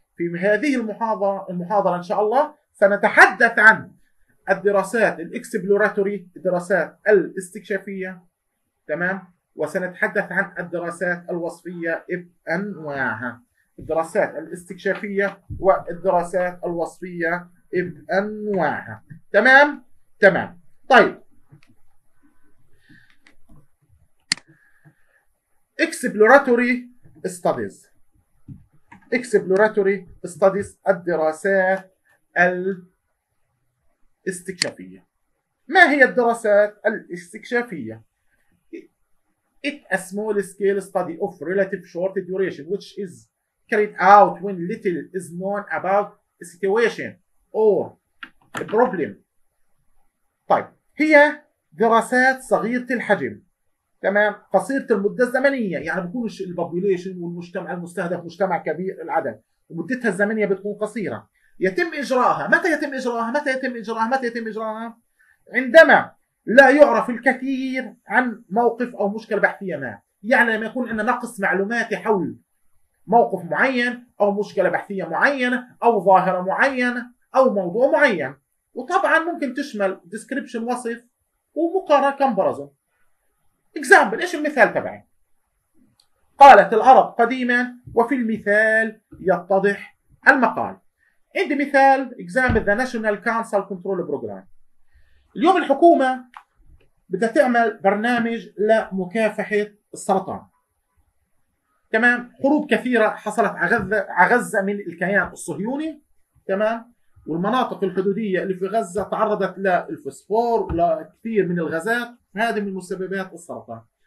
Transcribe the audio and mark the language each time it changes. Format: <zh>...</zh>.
<ar>في هذه المحاضره ان شاء الله سنتحدث عن الدراسات الاكسبلوراتوري، الدراسات الاستكشافيه. تمام. وسنتحدث عن الدراسات الوصفية بأنواعها، الدراسات الاستكشافية والدراسات الوصفية بأنواعها. تمام؟ تمام. طيب Exploratory Studies، Exploratory Studies الدراسات الاستكشافية. ما هي الدراسات الاستكشافية؟</ar> <en>It's a small-scale study of relative short duration which is carried out when little is known about a situation or a problem.</en> <ar>طيب، هي دراسات صغيرة الحجم. تمام؟ قصيرة المدة الزمنية، يعني بكون البوبوليشن والمجتمع المستهدف مجتمع كبير العدد، ومدتها الزمنية بتكون قصيرة. يتم إجراءها، متى يتم إجراءها؟ متى يتم إجراءها؟ متى يتم إجراءها؟ عندما لا يعرف الكثير عن موقف أو مشكلة بحثية ما، يعني لما يكون عندنا نقص معلومات حول موقف معين أو مشكلة بحثية معينة أو ظاهرة معينة أو موضوع معين. وطبعا ممكن تشمل description وصف ومقارنة comparison. example، إيش المثال تبعي؟ قالت العرب قديما، وفي المثال يتضح المقال. عندي مثال example the National Cancer Control Program. اليوم الحكومة بدها تعمل برنامج لمكافحة السرطان. تمام. حروب كثيرة حصلت على غزة من الكيان الصهيوني. تمام. والمناطق الحدودية اللي في غزة تعرضت للفوسفور ولكثير من الغازات، هذه من مسببات السرطان.</ar>